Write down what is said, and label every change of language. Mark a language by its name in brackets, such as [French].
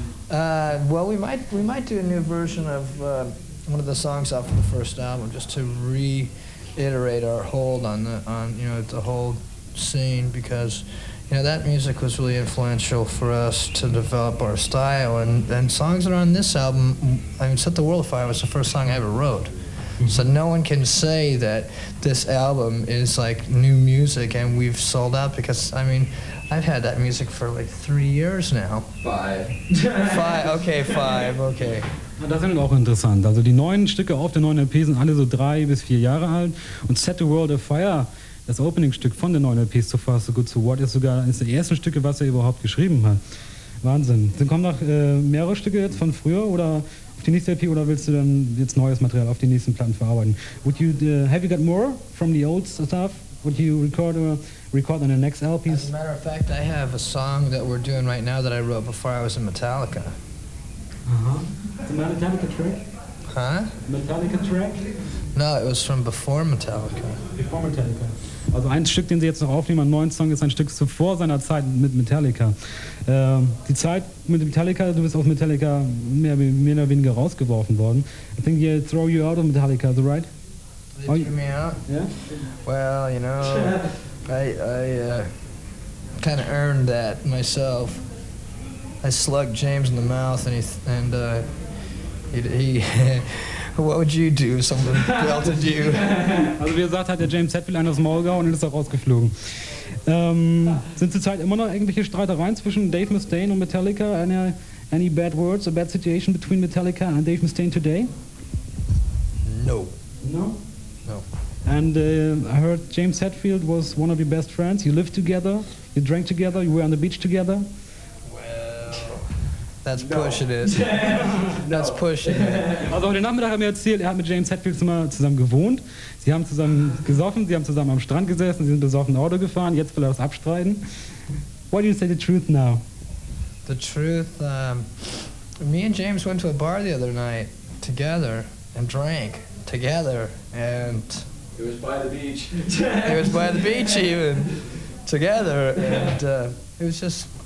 [English] Well, we might do a new version of one of the songs off of the first album, just to reiterate our hold on the whole scene, because you know that music was really influential for us to develop our style, and songs that are on this album. I mean, Set the World Afire was the first song I ever wrote. So no one can say that this album is like new music and we've sold out, because I mean, I've had that music for like 3 years now. Five, okay. [German] Das sind auch interessant. Also die neuen Stücke auf der neuen LP sind alle so 3 bis 4 Jahre alt. Und Set the World Afire, das Opening-Stück von der neuen LP, So Far, So Good, So What, ist sogar eines der ersten Stücke, was er überhaupt geschrieben hat. Wahnsinn. Dann kommen noch mehrere Stücke jetzt von früher oder auf die nächste LP, oder willst du dann jetzt neues Material auf die nächsten Platten verarbeiten? [English] Would you have you got more from the old stuff? Would you record on the next LP? As a matter of fact, I have a song that we're doing right now that I wrote before I was in Metallica. It's a Metallica track? Huh? Metallica track? No, it was from before Metallica. Before Metallica. [German] Also ein Stück, den sie jetzt noch aufnehmen, einen neuen Song, ist ein Stück zuvor seiner Zeit mit Metallica. Die Zeit mit Metallica, du bist aus Metallica mehr oder weniger rausgeworfen worden. [English] I think they throw you out of Metallica, is that right? They threw me out? Yeah? Well, you know, I kind of earned that myself. I slugged James in the mouth and he what would you do if someone belted you? [German] Also wie gesagt, hat der James Hetfield einen aus dem Maul gehauen und ist auch rausgeflogen. Sind zurzeit immer noch irgendwelche Streitereien zwischen Dave Mustaine und Metallica? [English] Any bad words, a bad situation between Metallica and Dave Mustaine today? No. No? No. And I heard James Hetfield was one of your best friends. You lived together, you drank together, you were on the beach together. That's pushing it. That's pushing it. [German] Also heute Nachmittag haben wir erzählt, er hat mit James Hetfield zusammen gewohnt. Sie haben zusammen gesoffen, sie haben zusammen am Strand gesessen, sie sind besoffen Auto gefahren, jetzt will er das abstreiten. [English] Why do you say the truth now? The truth, me and James went to a bar the other night together and drank together and... It was by the beach. It was by the beach even, together, and it was just...